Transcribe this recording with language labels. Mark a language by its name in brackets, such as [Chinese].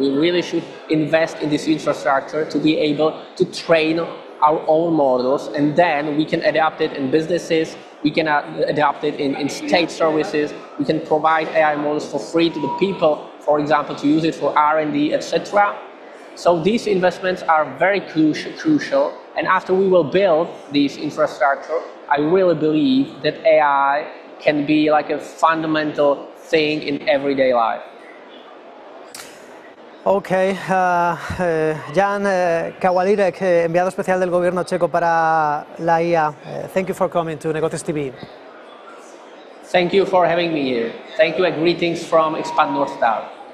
[English] We really should invest in this infrastructure to be able to train our own models, and then we can adapt it in businesses, we can adapt it in state services, we can provide AI models for free to the people, for example, to use it for R&D, etc. So these investments are very crucial, and after we will build this infrastructure, I really believe that AI can be like a fundamental thing in everyday life. [Spanish] Okay, Jan Kawalirek, enviado especial del gobierno checo para la IA. [English] Thank you for coming to Negocios TV. Thank you for having me here. Thank you and greetings from Expand North Star.